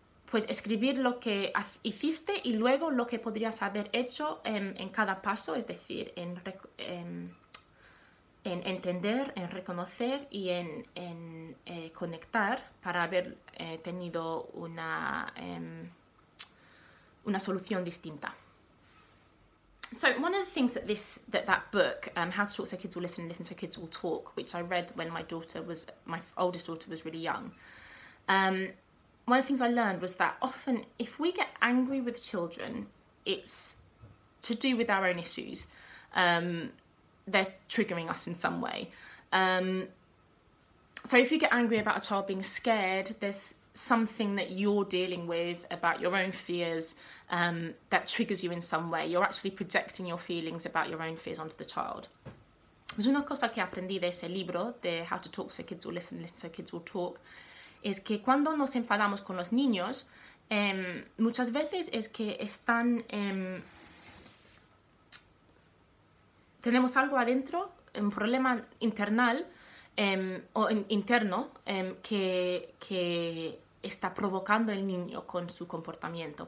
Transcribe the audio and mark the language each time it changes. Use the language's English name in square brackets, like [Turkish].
[Spanish] Pues escribir lo que hiciste y luego lo que podrías haber hecho en cada paso, es decir, en entender, en reconocer y en conectar para haber tenido una solución distinta. [English] So one of the things that that book, How to Talk So Kids Will Listen and Listen So Kids Will Talk, which I read when my oldest daughter was really young, one of the things I learned was that often if we get angry with children, it's to do with our own issues. They're triggering us in some way. So if you get angry about a child being scared, there's something that you're dealing with about your own fears that triggers you in some way. You're actually projecting your feelings about your own fears onto the child. [Spanish] Pues una cosa que aprendí de ese libro, de How to Talk So Kids Will Listen, Listen So Kids Will Talk, es que cuando nos enfadamos con los niños, muchas veces es que están... tenemos algo adentro, un problema internal que está provocando el niño con su comportamiento.